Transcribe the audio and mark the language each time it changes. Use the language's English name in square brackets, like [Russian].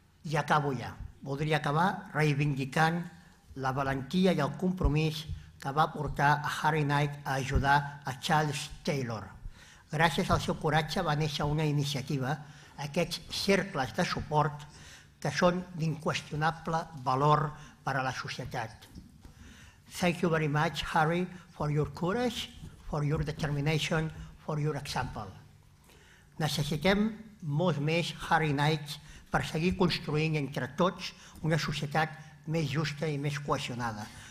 [Catalan] I acabo ja. Voldria acabar reivindicant la valentia i el compromís que va portar a Harry Knight a ajudar a Charles Taylor. Gràcies al seu coratge va néixer una iniciativa, aquests cercles de suport, que són d'inqüestionable valor per a la societat. [English] Thank you very much, Harry, for your courage, for your determination, for your example. [Catalan] Necessitem molts més Harry Knights per seguir construint entre tots una societat més justa i més cohesionada.